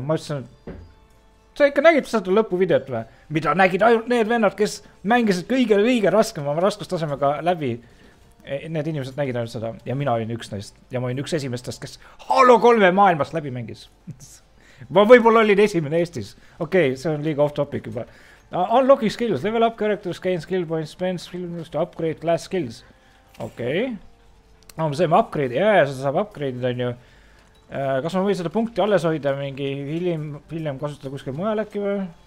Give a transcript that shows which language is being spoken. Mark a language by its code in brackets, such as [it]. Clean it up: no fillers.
[et] Ma ütlesin, sa ikka nägid seda lõpuvideot või? Mida nägid ainult need vennad, kes mängisid kõige liige raskema raskustasemega läbi. Need inimesed nägid ainult seda. Ja mina olin üks neist. Ja ma olin üks esimestest, kes Halo 3 maailmas läbi mängis. Ma võibolla olin esimene Eestis. Okei, okay, see on liiga off topic juba. [en] Unlocking skills. Level up characters, gain skill points, spend skill points, upgrade class skills. [et] Okei. Okay. Ma saame upgrade. Jää, yeah, seda saab upgrade'id on ju. Kas ma võin seda punkti alles hoida mingi hiljem kasutada kuskil mujal äkki või?